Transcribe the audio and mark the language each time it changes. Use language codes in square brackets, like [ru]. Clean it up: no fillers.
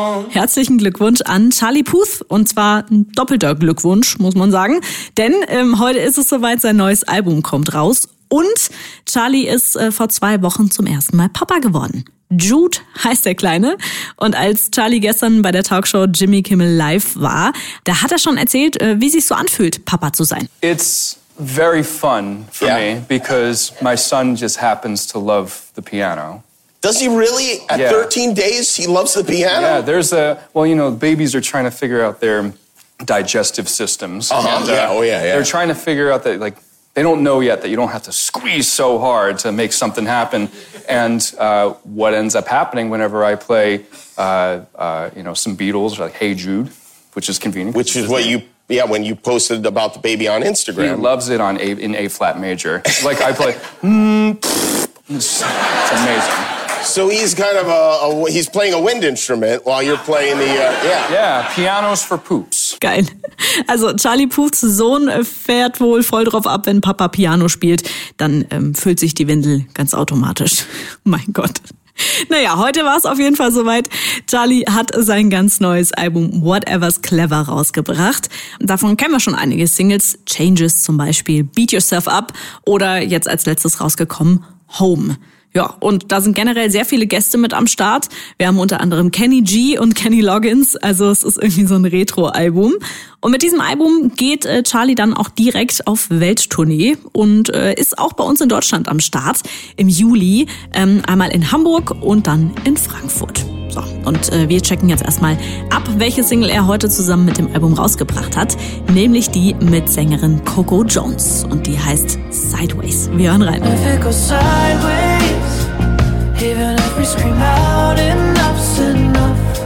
[de] Herzlichen Glückwunsch an Charlie Puth und zwar ein doppelter Glückwunsch, muss man sagen, denn heute ist es soweit, sein neues Album kommt raus und Charlie ist vor zwei Wochen zum ersten Mal Papa geworden. Jude heißt der Kleine und als Charlie gestern bei der Talkshow Jimmy Kimmel Live war, da hat er schon erzählt, wie sich so anfühlt, Papa zu sein. [en] It's very fun for me because my son just happens to love the piano. Does he really, at 13 days, he loves the piano? Yeah, there's a, well, you know, babies are trying to figure out their digestive systems. Uh-huh. And, they're trying to figure out that, like, they don't know yet that you don't have to squeeze so hard to make something happen. And what ends up happening whenever I play, you know, some Beatles, like, Hey Jude, which is convenient. Which is what you, yeah, when you posted about the baby on Instagram. He loves it on in A-flat major. Like, I play, it's amazing. So he's kind of he's playing a wind instrument while you're playing the, Yeah, pianos for poops. [de] Geil. Also Charlie Puths Sohn fährt wohl voll drauf ab, wenn Papa Piano spielt, dann füllt sich die Windel ganz automatisch. Mein Gott. Naja, heute war es auf jeden Fall soweit. Charlie hat sein ganz neues Album Whatever's Clever rausgebracht. Davon kennen wir schon einige Singles. Changes zum Beispiel, Beat Yourself Up oder jetzt als letztes rausgekommen, Home. Ja, und da sind generell sehr viele Gäste mit am Start. Wir haben unter anderem Kenny G und Kenny Loggins. Also es ist irgendwie so ein Retro-Album. Und mit diesem Album geht Charlie dann auch direkt auf Welttournee und ist auch bei uns in Deutschland am Start. Im Juli einmal in Hamburg und dann in Frankfurt. So, und wir checken jetzt erstmal ab, welche Single er heute zusammen mit dem Album rausgebracht hat. Nämlich die mit Sängerin Coco Jones. Und die heißt Sideways. Wir hören rein. [en] If it goes sideways. Even if we scream out, enough's enough.